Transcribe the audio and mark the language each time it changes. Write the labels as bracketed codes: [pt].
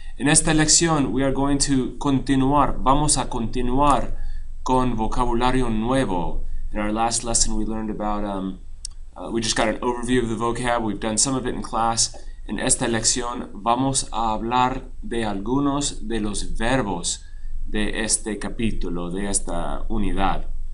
[es] En esta lección, [en] we are going to [es] continuar. Vamos a continuar con vocabulario nuevo. [en] In our last lesson, we learned about, we just got an overview of the vocab. We've done some of it in class. [es] En esta lección, vamos a hablar de algunos de los verbos de este capítulo, de esta unidad.